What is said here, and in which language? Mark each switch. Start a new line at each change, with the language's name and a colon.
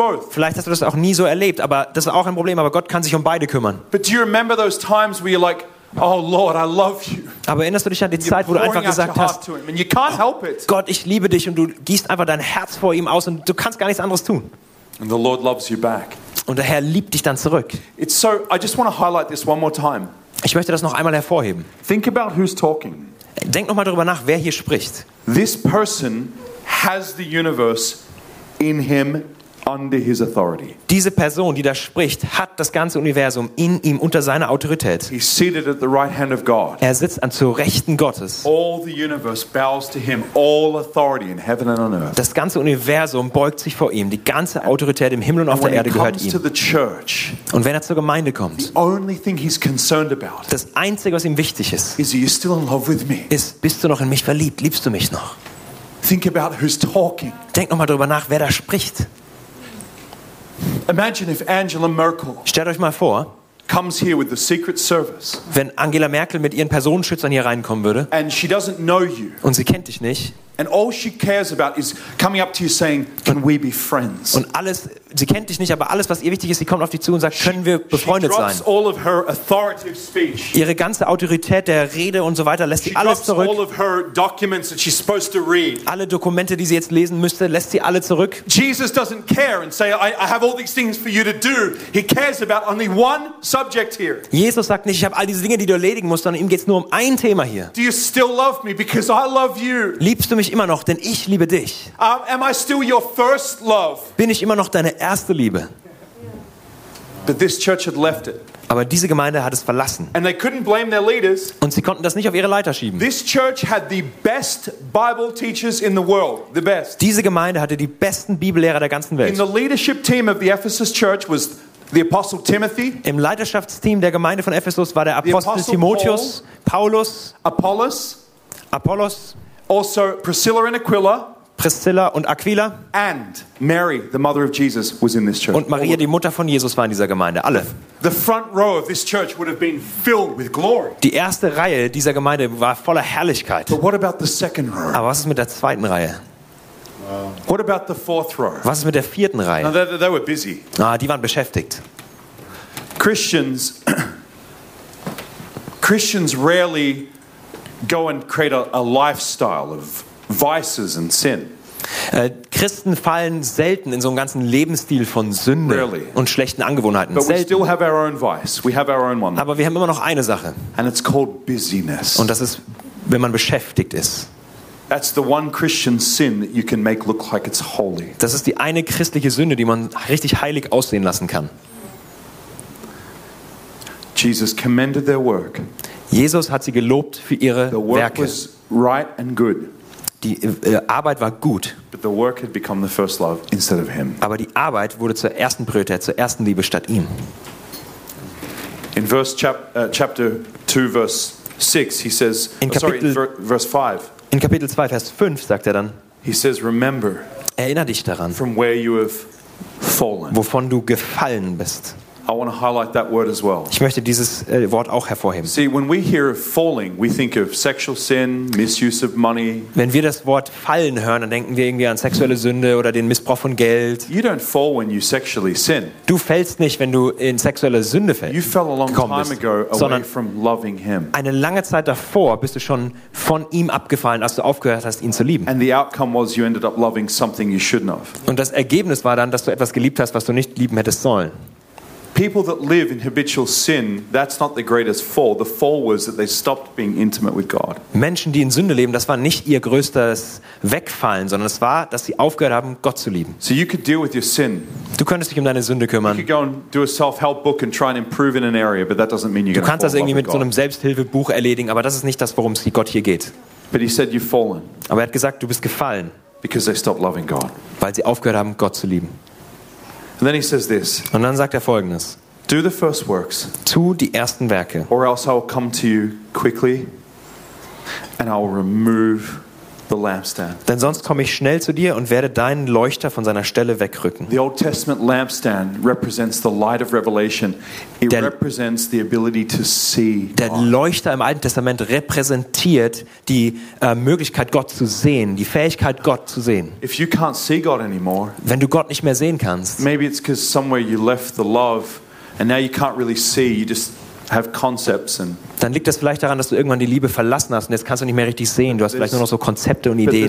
German: Vielleicht hast du das auch nie so erlebt, aber das ist auch ein Problem, aber Gott kann sich um beide kümmern.
English: But do you remember those times where you're like, oh Lord, I love you.
German: Aber erinnerst du dich an die Zeit, wo du einfach gesagt hast, oh Gott, ich liebe dich, und du gießt einfach dein Herz vor ihm aus und du kannst gar nichts anderes tun.
English: And the Lord loves you back.
German: Und der Herr liebt dich dann zurück.
English: It's so, I just want to highlight this one more time.
German: Ich möchte das noch einmal hervorheben.
English: Think about who's talking.
German: Denk noch mal darüber nach, wer hier spricht.
English: This person has the universe in him under his authority.
German: Diese Person, die da spricht, hat das ganze Universum in ihm unter seiner Autorität.
English: He's seated at the right hand of God.
German: Er sitzt an zur Rechten Gottes.
English: All the universe bows to him, all authority in heaven and on earth.
German: Das ganze Universum beugt sich vor ihm. Die ganze Autorität im Himmel und auf der Erde gehört ihm.
English: To the church,
German: und wenn er zur Gemeinde kommt,
English: the only thing he's concerned about,
German: das Einzige, was ihm wichtig ist,
English: is he still in love with me?
German: Ist, bist du noch in mich verliebt? Liebst du mich noch?
English: Think about who's talking.
German: Denk noch mal darüber nach, wer da spricht.
English: Imagine if Angela Merkel,
German: stellt euch mal vor,
English: comes here with the Secret Service.
German: Wenn Angela Merkel mit ihren Personenschützern hier reinkommen würde,
English: and she doesn't know you,
German: und sie kennt dich nicht,
English: and all she cares about is coming up to you saying, "Can we be friends?"
German: Und alles, sie kennt dich nicht, aber alles, was ihr wichtig ist, sie kommt auf dich zu und sagt, können wir befreundet sein?
English: She drops all of her authoritative speech.
German: Ihre ganze Autorität der Rede und so weiter lässt sie alles zurück.
English: All of her documents that she's supposed to read.
German: Alle Dokumente, die sie jetzt lesen müsste, lässt sie alle zurück.
English: Jesus doesn't care and say, I have all these things for you to do. He cares about only one subject here.
German: Jesus sagt nicht, ich habe all diese Dinge, die du erledigen musst, sondern ihm geht's nur um ein Thema hier.
English: Do you still love me because I love you?
German: Liebst du mich immer noch, denn ich liebe dich?
English: Am I still your first love?
German: Bin ich immer noch deine erste Liebe?
English: But this church had left it.
German: Aber diese Gemeinde hat es verlassen.
English: And they couldn't blame their leaders.
German: Und sie konnten das nicht auf ihre Leiter schieben.
English: This church had the best Bible teachers in the world, the best.
German: Diese Gemeinde hatte die besten Bibellehrer der ganzen Welt.
English: In the leadership team of the Ephesus church was the apostle Timothy.
German: Im Leiterschaftsteam der Gemeinde von Ephesus war der Apostel Timotheus, Paulus,
English: Apollos, also Priscilla and Aquila.
German: Priscilla und Aquila.
English: And Mary, the mother of Jesus, was in this church.
German: Und Maria, die Mutter von Jesus, war in dieser Gemeinde. Alle.
English: The front row of this church would have been filled with glory.
German: Die erste Reihe dieser Gemeinde war voller Herrlichkeit.
English: But what about the second row?
German: Aber was ist mit der zweiten Reihe? Wow.
English: What about the fourth row?
German: Was ist mit der vierten Reihe?
English: Now they were busy.
German: Ah, die waren beschäftigt.
English: Christians rarely go and create a lifestyle of vices and sin.
German: Christen fallen selten in so einen ganzen Lebensstil von Sünde,
English: really,
German: und schlechten Angewohnheiten.
English: But
German: selten.
English: We still have our own vice. We have our own one.
German: Aber wir haben immer noch eine Sache.
English: And it's called busyness.
German: Und das ist, wenn man beschäftigt ist.
English: That's the one Christian sin that you can make look like it's holy.
German: Das ist die eine christliche Sünde, die man richtig heilig aussehen lassen kann.
English: Jesus commended their work.
German: Jesus hat sie gelobt für ihre
English: the work
German: Werke.
English: Was right and good.
German: Die Arbeit war gut.
English: But the work had become the first love instead of him.
German: Aber die Arbeit wurde zur ersten Priorität, zur ersten Liebe statt ihm.
English: In chapter 2 verse 6 he says, verse 5.
German: In Kapitel 2 Vers 5 sagt er dann.
English: He says, remember.
German: Erinner dich daran.
English: From where you have fallen.
German: Wovon du gefallen bist.
English: I want to highlight that word as well.
German: Ich möchte dieses Wort auch hervorheben.
English: See, when we hear of falling, we think of sexual sin, misuse of money.
German: Wenn wir das Wort fallen hören, dann denken wir irgendwie an sexuelle Sünde oder den Missbrauch von Geld.
English: You don't fall when you sexually sin.
German: Du fällst nicht, wenn du in sexuelle Sünde fällst.
English: You fell a long time ago away from loving him.
German: Eine lange Zeit davor bist du schon von ihm abgefallen, als du aufgehört hast, ihn zu lieben.
English: And the outcome was you ended up loving something you shouldn't have.
German: Und das Ergebnis war dann, dass du etwas geliebt hast, was du nicht lieben hättest sollen.
English: People that live in habitual sin, that's not the greatest fall. The fall was that they stopped being intimate with God.
German: Menschen, die in Sünde leben, das war nicht ihr größtes Wegfallen, sondern es war, dass sie aufgehört haben, Gott zu lieben.
English: So you could deal with your sin.
German: Du könntest dich um deine Sünde kümmern.
English: You could go and do a self-help book and try and improve in an area, but that doesn't mean you're going to fall.
German: Du kannst das irgendwie mit so einem Selbsthilfebuch erledigen, aber das ist nicht das, worum es Gott hier geht.
English: But he said you've fallen.
German: Aber er hat gesagt, du bist gefallen.
English: Because they stopped loving God.
German: Weil sie aufgehört haben, Gott zu lieben.
English: And then he says this.
German: Und dann sagt er Folgendes.
English: Do the first works.
German: Tu die ersten Werke.
English: Or else I will come to you quickly and I will remove the lampstand.
German: Denn sonst komme ich schnell zu dir und werde deinen Leuchter von seiner Stelle wegrücken.
English: The Old Testament lampstand represents the light of revelation. It represents the ability to see.
German: Der Leuchter im Alten Testament repräsentiert die Möglichkeit Gott zu sehen, die Fähigkeit Gott zu sehen.
English: If you can't see God anymore,
German: wenn du Gott nicht mehr sehen kannst.
English: Maybe it's because somewhere you left the love. And now you can't really see, you just have concepts and
German: dann liegt das vielleicht daran, dass du irgendwann die Liebe verlassen hast und jetzt kannst du nicht mehr richtig sehen, du hast vielleicht nur noch so Konzepte und Ideen.